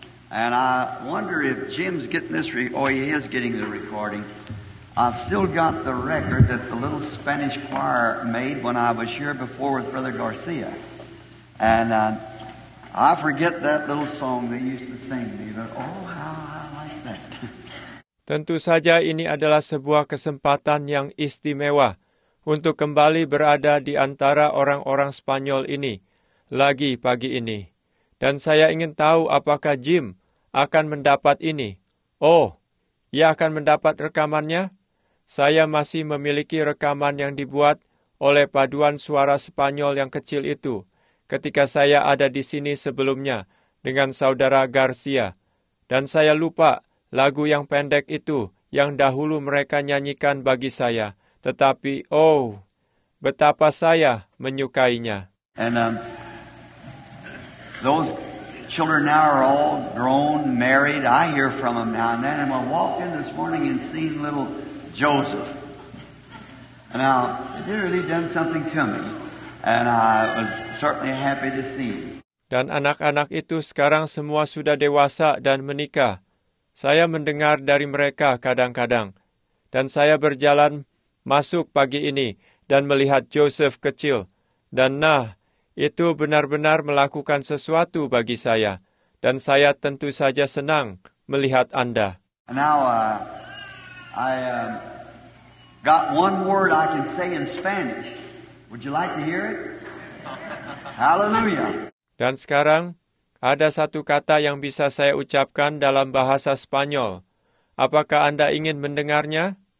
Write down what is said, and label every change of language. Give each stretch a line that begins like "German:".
English: And I wonder if Jim's getting this recording. I've still got the record that the little Spanish choir made when I was here before with Brother Garcia. And I forget that little song they used to sing me, but oh, how I like that.
Indonesian: Tentu saja ini adalah sebuah kesempatan yang istimewa untuk kembali berada di antara orang-orang Spanyol ini lagi pagi ini. Dan saya ingin tahu apakah Jim akan mendapat ini. Oh, ia akan mendapat rekamannya? Saya masih memiliki rekaman yang dibuat oleh paduan suara Spanyol yang kecil itu ketika saya ada di sini sebelumnya dengan Saudara Garcia. Dan saya lupa lagu yang pendek itu yang dahulu mereka nyanyikan bagi saya. Tetapi, oh, betapa saya menyukainya.
English: And those children now are all grown, married. I hear from them now and then. And I walked in this morning and seen little Joseph. Now, he really done something to me. And I was certainly happy to see him.
Indonesian: Dan anak-anak itu sekarang semua sudah dewasa dan menikah. Saya mendengar dari mereka kadang-kadang. Dan saya berjalan masuk pagi ini dan melihat Joseph kecil. Dan nah, itu benar-benar melakukan sesuatu bagi saya. Dan saya tentu saja senang melihat Anda.
English: Now, I got one word I can say in Spanish. Would you like to hear it? Hallelujah.
Indonesian: Dan sekarang, ada satu kata yang bisa saya ucapkan dalam bahasa Spanyol. Apakah Anda ingin mendengarnya?